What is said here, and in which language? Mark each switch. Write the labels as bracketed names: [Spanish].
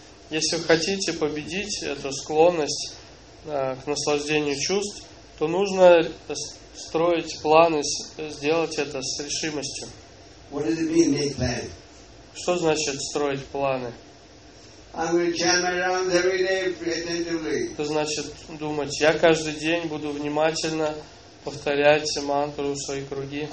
[Russian] Если вы хотите победить эту склонность к наслаждению чувств, то нужно строить планы, сделать это с решимостью. [English] What does it mean, make plan? [Russian] Что значит строить планы? [English] I'm going to chant my rounds every day attentively. [Russian] Это значит думать: я каждый день буду внимательно повторять мантру, свои круги.